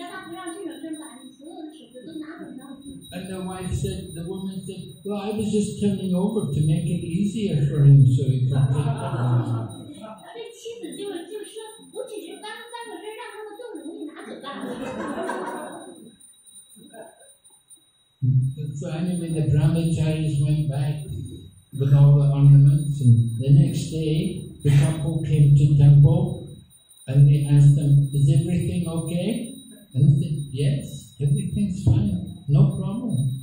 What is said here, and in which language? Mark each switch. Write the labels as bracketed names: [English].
[Chinese] 然后那个这个丈夫一下就惊醒了，他就责怪妻子说：“你为什么要这个翻这个动作这动作呢？你干嘛不让这个人把你所有的首饰都拿走呢？” [English] And the wife said, "The woman said, well, I was just turning over to make it easier for him so he could take the ornaments." [Chinese] 妻子就说：“我只是翻个身，让他们更容易拿走罢了。” [English] So anyway, the brahmacharis went back with all the ornaments, and the next day the couple came to temple and they asked them, "Is everything okay?" And they said, "Yes, everything's fine, no problem."